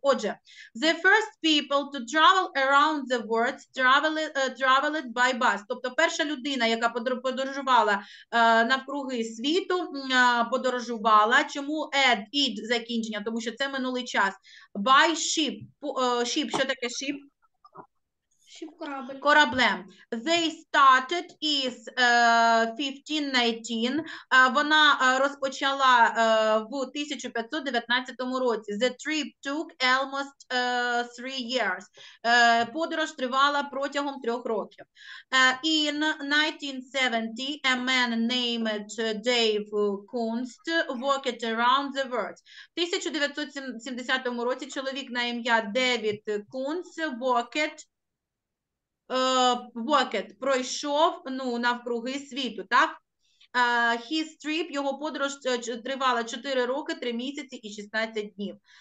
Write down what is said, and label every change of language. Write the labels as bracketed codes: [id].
[uk] Отже, [en] the first people to travel around the world traveled by bus. [uk] Тобто перша людина, яка подорожувала навкруги світу, подорожувала. Чому id закінчення? Тому що це минулий час. [en] By ship. Ship, [uk] що таке ship? Кораблем. [en] They started is 1519. [uk] Вона розпочала в 1519 році. [en] The trip took almost 3 years. [uk] Подорож тривала протягом 3 років. [en] In 1970 a man named Dave Kunst walked around the world. [uk] В 1970 році чоловік на ім'я Девід Кунст walked пройшов, ну, навкруги світу, так? [en] His trip, [uk] його подорож тривала 4 роки, 3 місяці і 16 днів.